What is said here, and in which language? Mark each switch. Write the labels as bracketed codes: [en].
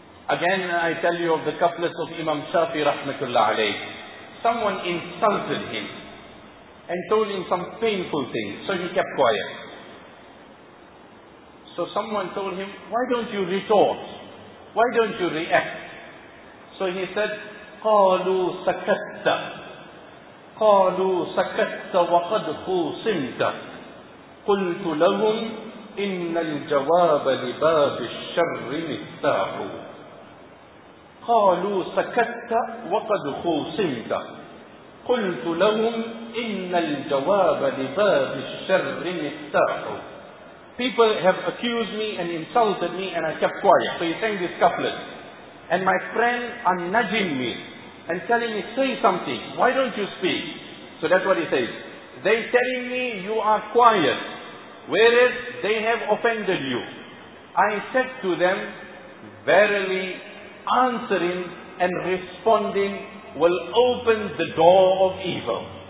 [en] Again, I tell you of the couplets of Imam Shafi rahmatullah alayh. Someone insulted him and told him some painful things, so he kept quiet. So someone told him, why don't you retort? Why don't you react? So he said, [ar] قَالُوا سَكَتَّ قَالُوا سَكَتَّ وَقَدْ خُوصِمْتَ قُلْتُ لَهُمْ إِنَّ الْجَوَابَ لِبَابِ الشَّرِّ مِفْتَاحُ قَالُوا سَكَتَّ وَقَدْ خُوصِمْتَ قُلْتُ لَهُمْ إِنَّ الْجَوَابَ لِبَابِ الشَّرِّ مِفْتَاحُ [en] People have accused me and insulted me and I kept quiet. So he sang this couplet. And my friend are nudging me and telling me, say something. Why don't you speak? So that's what he says. They telling me you are quiet. Whereas they have offended you. I said to them, verily answering and responding will open the door of evil.